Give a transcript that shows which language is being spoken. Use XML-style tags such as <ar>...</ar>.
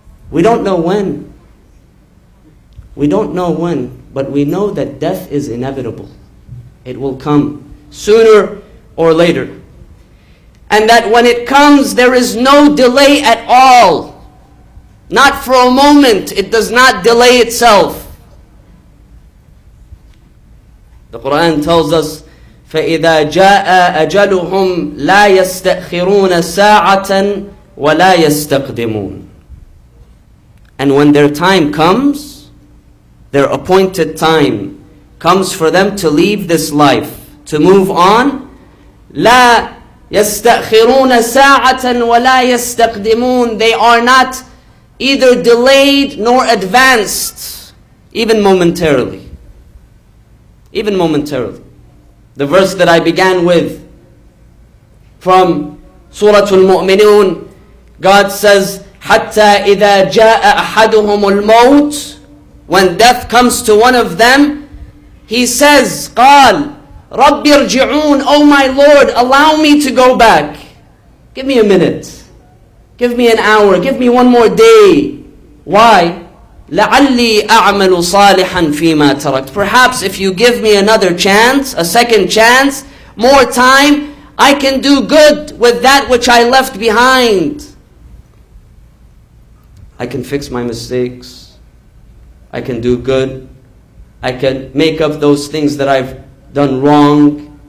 <en>We don't know when. We don't know when, but we know that death is inevitable. It will come sooner or later. And that when it comes, there is no delay at all. Not for a moment. It does not delay itself. The Quran tells us,</en> <ar>فَإِذَا جَاءَ أَجَلُهُمْ لَا يَسْتَأْخِرُونَ سَاعَةً وَلَا يَسْتَقْدِمُونَ.</ar> <en>And when their time comes, their appointed time comes for them to leave this life, to move on.</en> <ar>لا يستأخرون ساعة ولا يستقدمون.</ar> <en>They are not either delayed nor advanced, even momentarily. Even momentarily. The verse that I began with from Surah Al-Mu'minun, God says,</en> <ar>حتى إذا جاء أحدهم الموت,</ar> <en>when death comes to one of them, he says,</en> <ar>قال رب ارجعون,</ar> <en>oh my Lord, allow me to go back. Give me a minute. Give me an hour. Give me one more day. Why?</en> <ar>لعلي أعمل صالحا فيما تركت.</ar> <en>Perhaps if you give me another chance, a second chance, more time, I can do good with that which I left behind. I can fix my mistakes. I can do good. I can make up those things that I've done wrong.</en>